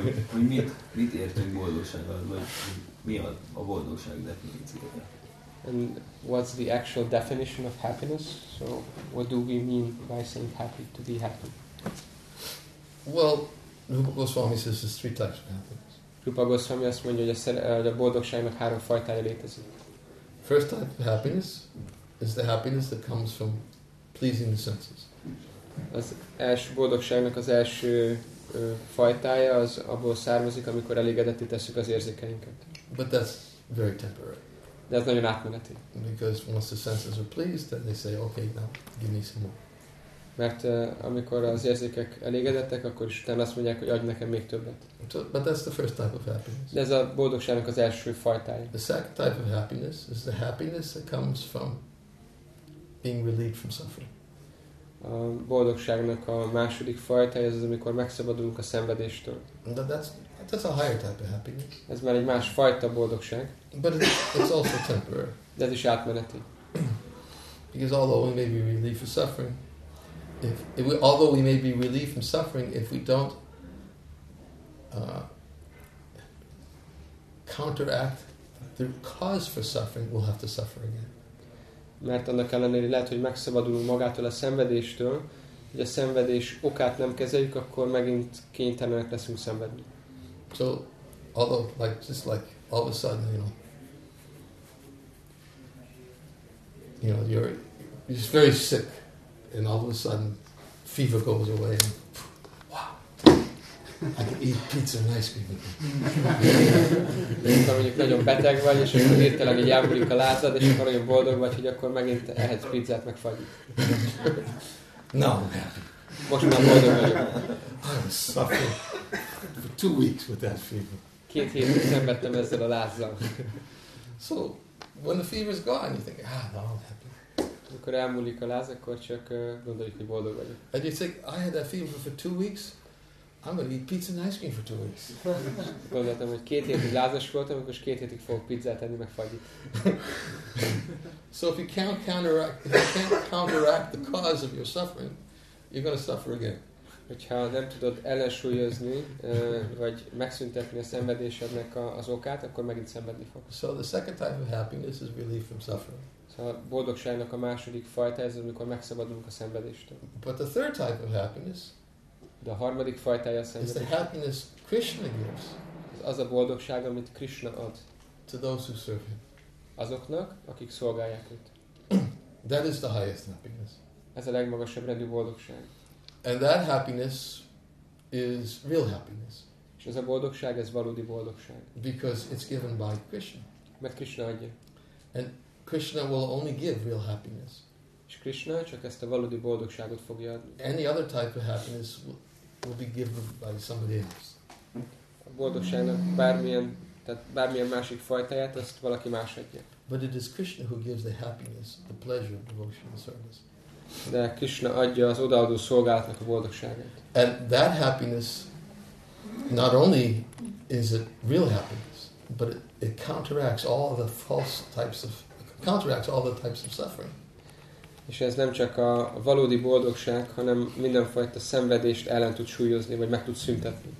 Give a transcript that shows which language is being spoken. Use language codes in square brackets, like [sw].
[hu] hogy mit értünk boldogsággal, vagy mi a boldogság definíciója. [en] And what's the actual definition of happiness? So what do we mean by saying happy, to be happy? Well, Rupa Goswami says there's three types of happiness. [hu] Rupa Goswami azt mondja, hogy a boldogságnak három fajtája létezik. [en] First type of happiness is the happiness that comes from pleasing the senses. [hu] Az első boldogságnak az első fajtája az abból származik, amikor elégedetté tesszük az érzékeinket. [en] But that's very temporary. [hu] De ez nagyon átmeneti. [en] Because once the senses are pleased, then they say, okay, now give me some more. [hu] Mert amikor az érzékek elégedettek, akkor is utána azt mondják, hogy adj nekem még többet. [en] But that's the first type of happiness. [hu] De ez a boldogságnak az első fajtája. [en] The second type of happiness is the happiness that comes from being relieved from suffering. [hu] A boldogságnak a második fajtája az, amikor megszabadulunk a szenvedéstől. [en] That's a higher type of happiness. [hu] Ez már egy más fajta boldogság. [en] But it's also temporary. [hu] De ez is átmeneti. [en] Because although we may be relieved from suffering, although we may be relieved from suffering, if we don't counteract the cause for suffering, we'll have to suffer again. [hu] Mert annak ellenére lehet, hogy megszabadulunk magától a szenvedéstől, hogy a szenvedés okát nem kezeljük, akkor megint kénytelenek leszünk szenvedni. [en] So, although, like, just like, all of a sudden, you're just very sick, and all of a sudden, fever goes away, and I can eat pizza and ice cream. [hu] Mikor mondjuk nagyon beteg vagy, és akkor hirtelen így ámulik a lázad, és akkor nagyon boldog vagy, hogy akkor megint ehetsz pizzát, meg fagyit. [en] No, [hu] most már boldog vagyok. [en] I'm suffering for 2 weeks with that fever. [hu] Két hétig szenvedtem ezzel a lázzal. [en] So, when the fever's gone, you think, now I'm happy. [hu] Amikor elmúlik a láz, akkor csak gondoljuk, hogy boldog vagyok. [en] And you think, I had that fever for 2 weeks, I'm going to eat pizza and ice cream for 2 weeks. [hu] Gondoltam, hogy 2 hétig lázas voltam, akkor 2 hétig fogok pizzát enni, meg fagyit. [en] So if you can't counteract the cause of your suffering, you're going to suffer again. [hu] Hogyha nem tudod ellensúlyozni, vagy megszüntetni a szenvedésednek az okát, akkor megint szenvedni fog. [en] So the second type of happiness is relief from suffering. [hu] A boldogságnak a második fajta ez, amikor megszabadulunk a szenvedéstől. [en] But the third type of happiness, [hu] de a harmadik fajtája a szenvedés, [en] is the happiness Krishna gives. [hu] Ez az a boldogság, amit Krishna ad. [en] To those who serve him. [hu] Azoknak, akik szolgálják őt. [en] That is the highest happiness. [hu] Ez a legmagasabb rendű boldogság. [en] And that happiness is real happiness. [hu] És ez a boldogság, ez valódi boldogság. [en] Because it's given by Krishna. [hu] Mert Krishna adja. [en] And Krishna will only give real happiness. [hu] És Krishna csak ezt a valódi boldogságot fogja adni. [en] Any other type of happiness will be given by somebody else. [hu] A boldogságnak bármilyen másik fajtáját, azt valaki más adja. [en] But it is Krishna who gives the happiness, the pleasure of devotional service. [hu] De Krishna adja az odaadó szolgálatnak a boldogságát. [en] And that happiness, not only is it real happiness, but it counteracts all the false types of counteracts all the types of suffering. [hu] És ez nem csak a valódi boldogság, hanem mindenfajta szenvedést ellen tud súlyozni, vagy meg tud szüntetni.